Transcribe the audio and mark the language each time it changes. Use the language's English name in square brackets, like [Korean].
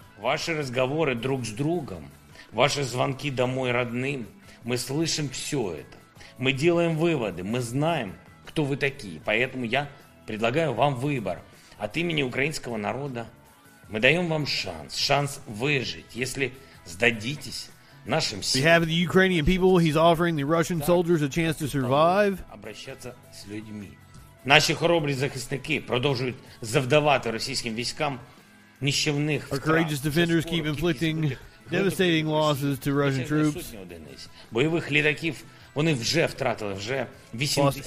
[Russian] Ваши разговоры друг с другом, ваши звонки домой родным, мы слышим все это. Мы делаем выводы, мы знаем, кто вы такие. Поэтому я предлагаю вам выбор. От имени украинского народа мы даем вам шанс, шанс выжить, если сдадитесь. [English] On behalf of the Ukrainian people, he's offering the Russian soldiers a chance to survive. [Russian] Обращаться с людьми. [Ukrainian] Наші хоробрі захисники продовжують завдавати російським військам нищівних втрат. [English] Our courageous defenders keep inflicting devastating losses to Russian troops. [Ukrainian] Бойових літаків вони вже втратили вже 80.